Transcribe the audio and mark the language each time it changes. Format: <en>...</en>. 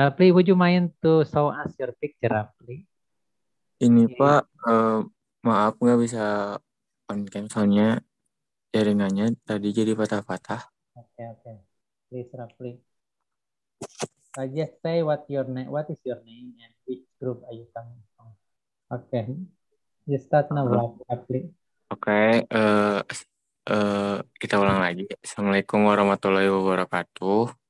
<en>Rapli, would you mind to show us your picture, Rapli?</en> <id>Ini Ini. Pak, maaf nggak bisa on cam soalnya jaringannya tadi jadi patah-patah.</id> <en>Oke. Please, Rapli. Just say what your name, what is your name and which group are you coming from? Okay. Just start now, Rapli.</en> <id>Kita ulang lagi. Assalamualaikum warahmatullahi wabarakatuh.</id>